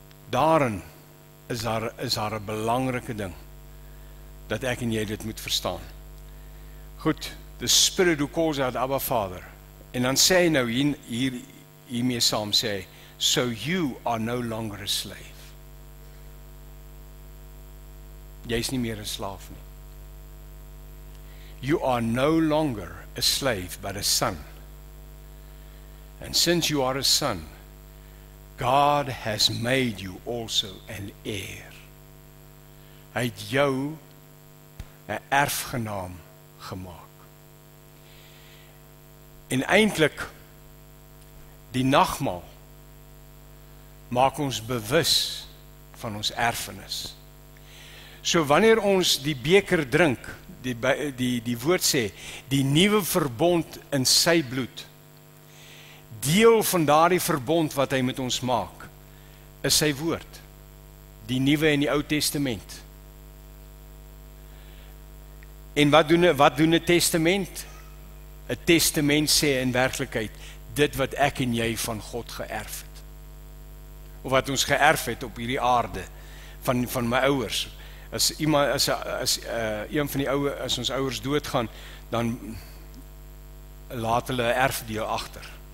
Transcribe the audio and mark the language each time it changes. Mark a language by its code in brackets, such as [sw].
[af] Daarin is daar 'n belangrike ding dat ek en jy dit moet verstaan. [en] Goed, the spirit who calls out Abba Father. [af] En dan sê hy nou hiermee saam sê, [en] so you are no longer a slave. [af] Jy is nie meer 'n slaaf nie. [en] You are no longer a slave but a son. And since you are a son, God has made you also an heir. [af] Hy het jou 'n erfgenaam gemaak. En eintlik die nagmaal maak ons bewus van ons erfenis. So wanneer ons die beker drink, die woord sê, die nuwe verbond in sy bloed, deel van daardie verbond wat hy met ons maak, is sy woord, die nuwe en die ou testament. En wat doen 'n testament? 'N testament sê in werklikheid, dit wat ek en jy van God geërf het, of wat ons geërf het op hierdie aarde, van my ouders. As iemand, een van die ouwe, as ons ouders doodgaan, dan laat hulle erfdeel achter.